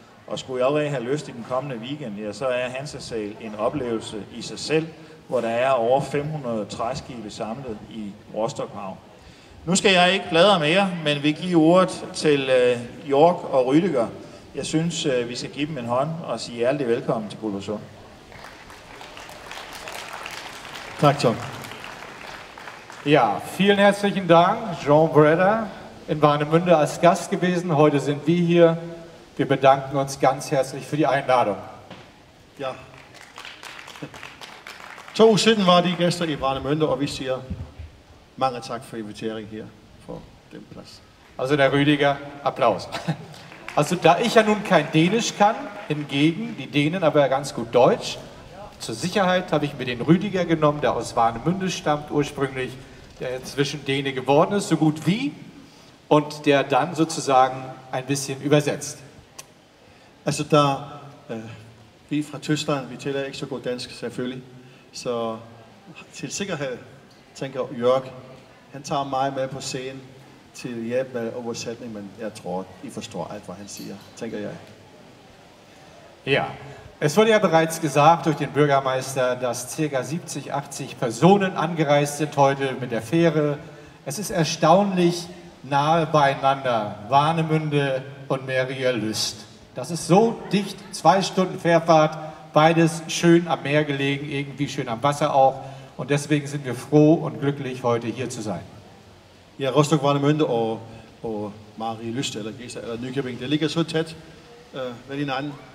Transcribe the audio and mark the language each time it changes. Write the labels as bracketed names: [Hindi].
[Danish] Og skulle jeg allerede have lyst i den kommende weekend, ja, så er Hansasal en oplevelse i sig selv, hvor der er over 500 træskibe samlet i Rostock Havn. Nu skal jeg ikke bladre mere, men vi giver ordet til York og Rüdiger. Jeg synes, vi skal give dem en hånd og sige hjertelig velkommen til Guldborgsund. Tak, John. [German] Ja, vielen herzlichen Dank, John Brædder, in Warnemünde als Gast gewesen. Heute sind wir hier. Wir bedanken uns ganz herzlich für die Einladung. Ja. [Danish] 2 uger siden [German] war die Gäste [Danish] i Warnemünde, og vi siger mange tak for invitering her for den plads. [German] Also der Rüdiger, Applaus. Also da ich ja nun kein Dänisch kann, hingegen die Dänen aber ganz gut Deutsch, zur Sicherheit habe ich mir den Rüdiger genommen, der aus Warnemünde stammt ursprünglich, der inzwischen Däne geworden ist, so gut wie, und der dann sozusagen ein bisschen übersetzt. [Danish] Altså der, vi fra Tyskland, vi taler ikke så godt dansk selvfølgelig, så til sikkerhed tænker Jörg, han tager mig med på scenen til hjælp med oversætning, men jeg tror, I forstår alt, hvad han siger, tænker jeg. [German] Ja, es wurde ja bereits gesagt durch den Bürgermeister, dass ca. 70, 80 Personen angereist sind heute mit der Fähre. Es ist erstaunlich nahe beieinander, Warnemünde und Merielust. Das ist so dicht, 2 Stunden Fährfahrt, beides schön am Meer gelegen, irgendwie schön am Wasser auch. Und deswegen sind wir froh und glücklich, heute hier zu sein. [Danish] Ja, Rostock, Warnemünde og Marielust, eller Gesa, eller Nykøbing, det ligger så tæt med hinanden.